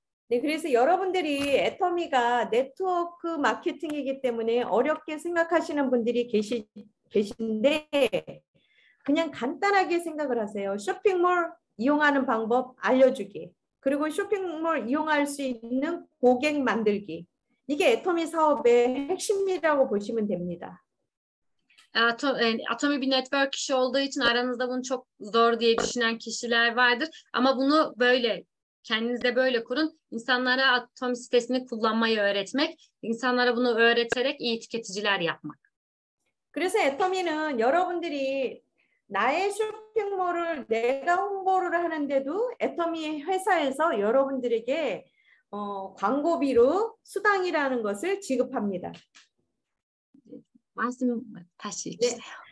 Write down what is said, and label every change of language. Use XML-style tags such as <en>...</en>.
<ko>네, 그래서 여러분들이 애터미가 네트워크 마케팅이기 때문에 어렵게 생각하시는 분들이 계신데, 그냥 간단하게 생각을 하세요. 쇼핑몰 이용하는 방법 알려주기. 그리고 쇼핑몰 이용할 수 있는 고객 만들기. 이게 애터미 사업의 핵심이라고 보시면 됩니다.</ko> <tr>Atomi bir network kişi olduğu için aranızda bunu çok zor diye düşünen kişiler vardır. Ama bunu böyle kendinize böyle kurun. İnsanlara atom sitesini kullanmayı öğretmek, insanlara bunu öğreterek iyi tüketiciler yapmak.</tr> <ko>그래서 애터미는 여러분들이 나의 쇼핑몰을 내가 홍보를 하는데도 애터미 회사에서 여러분들에게 광고비로 수당이라는 것을 지급합니다. 말씀 다시 해주세요.</ko>